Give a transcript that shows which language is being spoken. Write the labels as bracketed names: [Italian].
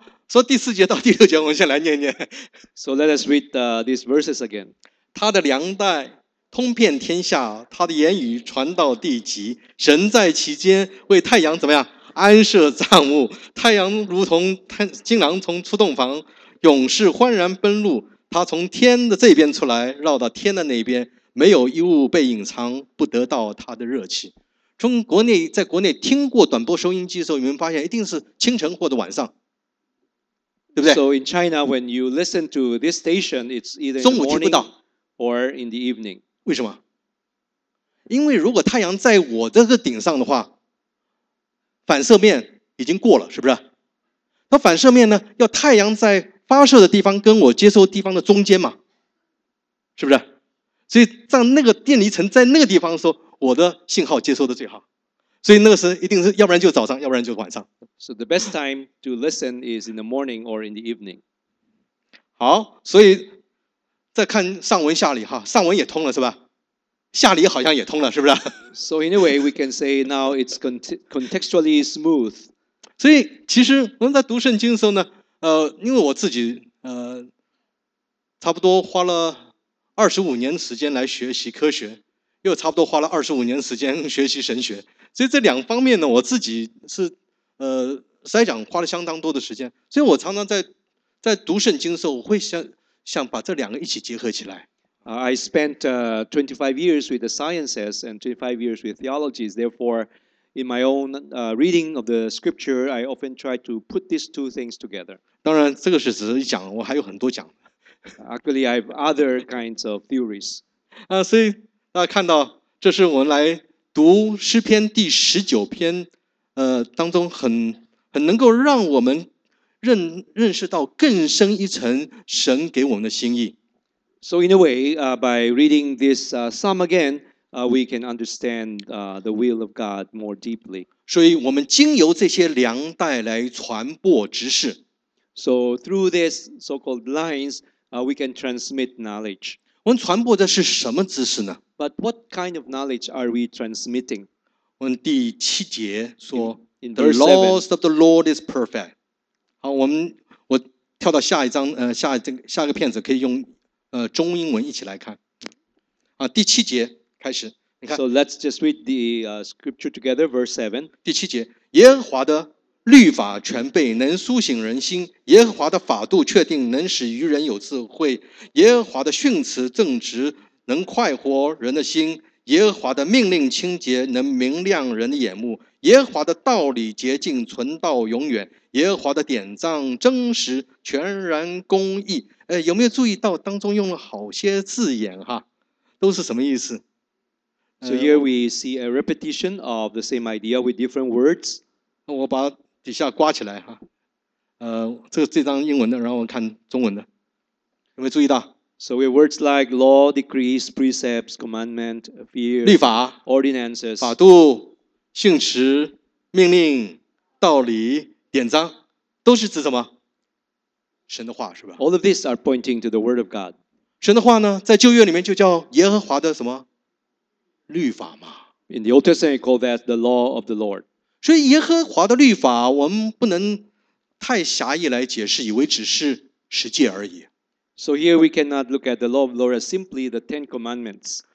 [Chinese] 所以第四节到第六节，我们先来念念。 [English] So let us read these verses again. [Chinese] 他的粮袋通遍天下，他的言语传到地极。神在其间，为太阳怎么样安设帐幕？太阳如同金狼从出洞房，勇士欢然奔入。他从天的这边出来，绕到天的那边。没有一物被隐藏，不得到它的热气。从国内在国内听过短波收音机的时候，你们发现一定是清晨或者晚上，对不对 [English] ？So in China, when you listen to this station, it's either [Chinese] 中午听不到 [English] or in the evening. [Chinese] 为什么？因为如果太阳在我这个顶上的话，反射面已经过了，是不是？那反射面呢，要太阳在发射的地方跟我接收地方的中间嘛，是不是？所以在那个电离层在那个地方的时候，我的信号接收的最好。所以那个时候一定是要不然就早上，要不然就晚上。 [English] So the best time to listen is in the morning or in the evening. [Chinese] 好，所以再看上文下理哈，上文也通了是吧？下理好像也通了是不是 [English] ？So anyway, we can say now it's contextually smooth. [Chinese] 所以其实我们在读圣经的时候呢，因为我自己差不多花了25年时间来学习科学，又差不多花了25年时间学习神学，所以这两方面呢，我自己是筛选花了相当多的时间，所以我常常在读圣经的时候，我会想把这两个一起结合起来。 [English] I spent 25 years with the sciences and 25 years with theologies. Therefore, in my own reading of the scripture, I often try to put these two things together. [Chinese] 当然，这个是只是讲，我还有很多讲。 [English] Actually, I have other kinds of theories. [Chinese] 所以大家看到，这是我们来读诗篇第十九篇，当中很能够让我们认识到更深一层神给我们的心意。 [English] So in a way, by reading this psalm again, we can understand the will of God more deeply. [Chinese] 所以我们经由这些粮带来传播知识。 [English] So through these so-called lines. We can transmit knowledge. [Chinese] 我们传播的是什么知识呢 [English] ？But what kind of knowledge are we transmitting? [Chinese] 我们第七节说 [English] in ，The laws of the Lord is perfect. [Chinese] 好，我跳到下一章，下一个片子可以用中英文一起来看。第七节开始，你看。 [English] So let's just read the scripture together, verse 7. [Chinese] 第七节，耶和华的律法全备，能苏醒人心；耶和华的法度确定，能使愚人有智慧；耶和华的训词正直，能快活人的心；耶和华的命令清洁，能明亮人的眼目；耶和华的道理洁净，存到永远；耶和华的典章真实，全然公义。有没有注意到当中用了好些字眼哈？都是什么意思？ [English] So here we see a repetition of the same idea with different words. [Chinese] 我把底下刮起来哈。这张英文的，然后我看中文的，有没有注意到？ [English] So we have words like law, decrees, precepts, commandment, fear, [Chinese] 律法 [English] ordinances, [Chinese] 法度、性质、命令、道理、典章，都是指什么？神的话是吧 [English] ？All of these are pointing to the word of God. [Chinese] 神的话呢，在旧约里面就叫耶和华的什么律法嘛 [English] ？In the Old Testament, we call that the law of the Lord. [Chinese] 所以耶和华的律法，我们不能太狭义来解释，以为只是十诫而已。 [English] So here we cannot look at the law of the Lord as simply the Ten Commandments.